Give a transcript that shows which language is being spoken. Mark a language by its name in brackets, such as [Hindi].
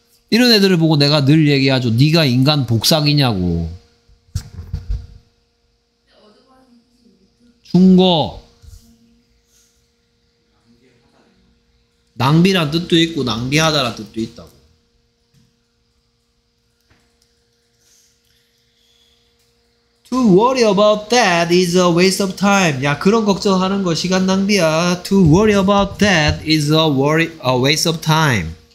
[Korean] 이런 애들을 보고 내가 늘 얘기하죠. 네가 인간 복사기냐고. 중고. 낭비란 뜻도 있고 낭비하다란 뜻도 있다고. [English] To worry about that is a waste of time. [Korean] 야, 그런 걱정하는 거 시간 낭비야. [English] To worry about that is a waste of time.